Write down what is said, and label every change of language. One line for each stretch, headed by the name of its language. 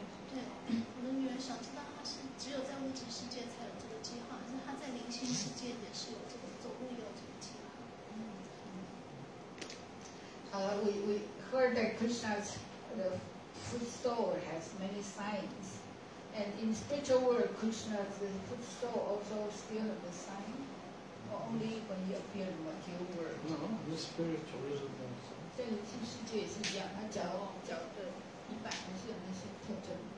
Chinese: 对，我的女儿想知道，她是只有在物质世界才有这个记号，还是她在灵性世界也是有这个走路也有这个记号？
English: We heard that Krishna's the footstool has many signs. And in spiritual world, Krishna's footstool also still have the sign? only when he appeared in the material world. No, the spiritual is the same.
Chinese: 在灵性世界也是一样，他脚的一半还是有那些特征。